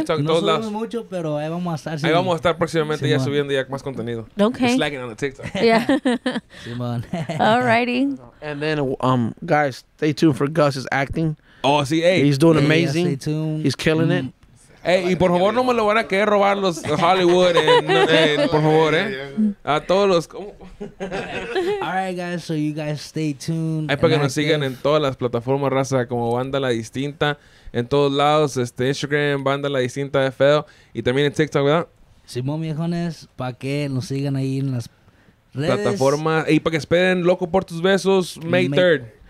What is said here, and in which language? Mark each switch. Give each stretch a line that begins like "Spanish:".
Spanish: TikTok, no todos subimos mucho, pero ahí vamos a estar. Ahí vamos a estar próximamente ya subiendo ya más contenido.
English: Okay. Slacking on the TikTok. Yeah.
Spanish: Simón.
English: Alrighty. And then, guys, stay tuned for Gus's acting.
Spanish: Oh, sí, hey.
English: He's doing amazing. Yeah, stay tuned. He's killing it.
Spanish: Hey, y por favor, no me lo van a querer robar los Hollywood, por favor, a todos los...
English: All right, guys, so you guys stay tuned.
Spanish: Ahí para que nos sigan en todas las plataformas, raza, como Banda La Distinta, en todos lados, Instagram, Banda La Distinta de FL, y también en TikTok, ¿verdad? Simón, viejones, para que nos sigan ahí en las redes. Plataformas, y para que esperen, Loco por tus besos, May 3rd.